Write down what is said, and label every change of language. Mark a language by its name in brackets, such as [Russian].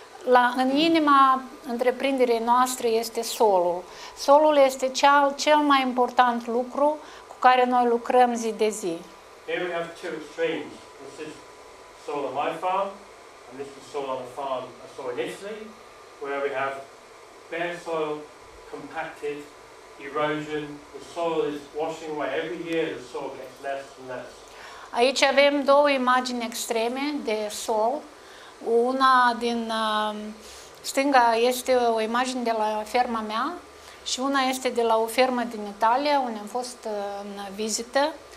[Romanian] La în inima întreprinderii noastre este solul. Solul este cel mai important lucru cu care noi lucrăm zi de zi. [English] Here we have two extremes. This is soil on my farm, and this is soil on the farm I saw in Italy, where we have bare soil, compacted, erosion, the soil is washing away. Every year the soil gets less and less. [Romanian] Aici avem două imagini extreme de sol. Una din stânga este o imagine de la ferma mea și una este de la o fermă din Italia, unde am fost în vizită.